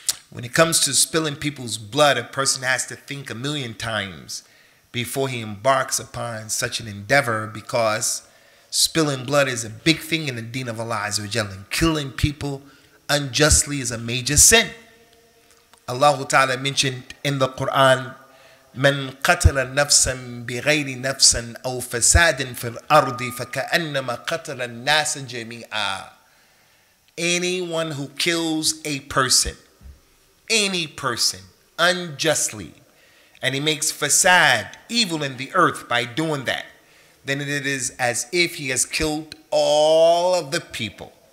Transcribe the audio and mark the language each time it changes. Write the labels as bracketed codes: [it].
[en] When it comes to spilling people's blood, a person has to think a million times before he embarks upon such an endeavor, because spilling blood is a big thing in the deen of Allah Azza wa Jalla. Killing people unjustly is a major sin. Allah Ta'ala mentioned in the Quran, [ar] من قتل نفسا بغير نفسا أو فساد في الأرض فكأنما قتل الناس جميعا. [en] Anyone who kills a person, any person, unjustly, and he makes fasad, evil in the earth by doing that, then it is as if he has killed all of the people.